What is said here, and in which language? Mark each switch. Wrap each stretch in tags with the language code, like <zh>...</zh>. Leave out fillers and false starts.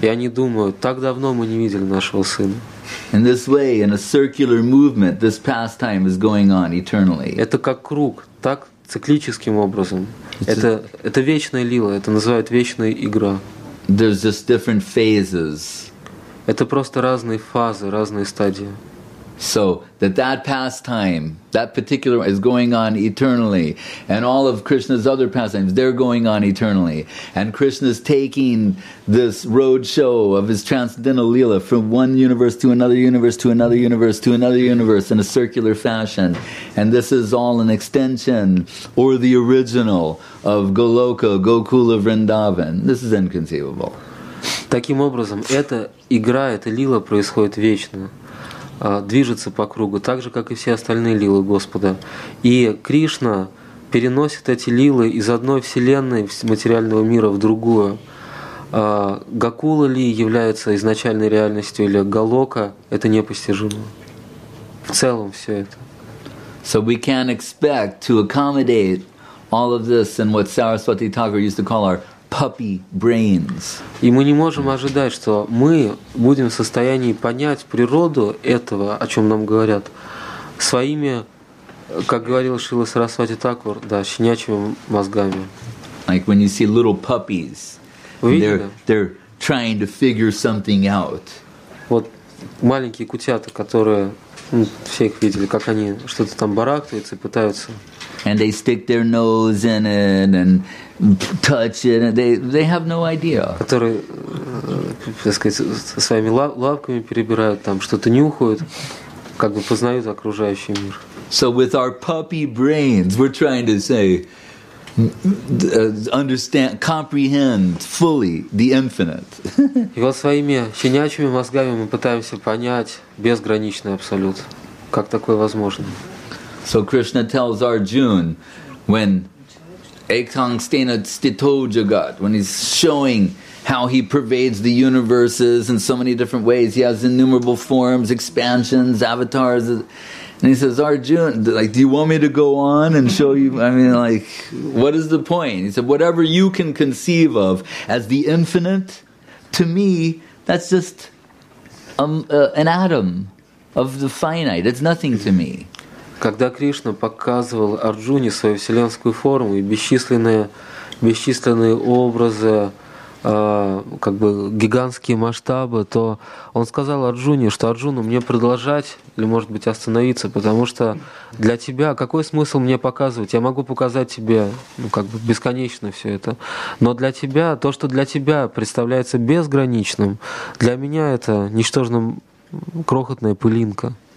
<ru>И они думают, так давно мы не видели нашего сына.</ru> <en>In this way, in a circular movement, this pastime is going on eternally.</en> <ru>Это как круг, так циклическим образом. Это вечная лила, это называют вечная игра.</ru> <en>There's just different phases.</en> <ru>Это просто разные фазы, разные стадии.</ru> <en>So that pastime, that particular one, is going on eternally, and all of Krishna's other pastimes, they're going on eternally, and Krishna's taking this road show of his transcendental leela from one universe to another universe to another universe to another universe in a circular fashion, and this is all an extension or the original of Goloka, Gokula, Vrindavan. This is inconceivable.</en> <ru>Таким образом, эта игра, эта лила происходит вечно. Движется по кругу, так же, как и все остальные лилы Господа. И Кришна переносит эти лилы из одной вселенной материального мира в другую. Гокула ли является изначальной реальностью, или Голока – это непостижимо. В целом все это.</ru> <en>So we can't expect to accommodate all of this in what Saraswati Thakur used to call our puppy brains.</en> <ru>И мы не можем ожидать, что мы будем в состоянии понять природу этого, о чем нам говорят, своими, как говорил Шрила Сарасвати Тхакур, да, щенячьими мозгами.</ru> <en>Like when you see little puppies, they're trying to figure something out.</en> <ru>Вот маленькие кутята, которые, ну, все их видели, как они что-то там барахтаются и пытаются.</ru> <en>And they stick their nose in it and touch it, and they have no idea.</en> <ru>Которые, так сказать, своими лапками перебирают, там что-то нюхают, как бы познают окружающий мир.</ru> <en>So with our puppy brains, we're trying to say, understand, comprehend fully the infinite.</en> <ru>И вот своими щенячьими мозгами мы пытаемся понять безграничный абсолют. Как такое возможно?</ru> <en>So Krishna tells Arjuna, when Ekang Stena Stito Jagat, when he's showing how he pervades the universes in so many different ways, he has innumerable forms, expansions, avatars. And he says, Arjuna, like, do you want me to go on and show you? I mean, like, what is the point? He said, whatever you can conceive of as the infinite, to me, that's just an atom of the finite. It's nothing to me.</en> <ru>Когда Кришна показывал Арджуне свою вселенскую форму и бесчисленные образы, как бы гигантские масштабы, то он сказал Арджуне, что Арджуна, мне продолжать или, может быть, остановиться, потому что для тебя какой смысл мне показывать? Я могу показать тебе, ну, как бы бесконечно все это, но для тебя, то, что для тебя представляется безграничным, для меня это ничтожно крохотная пылинка.</ru>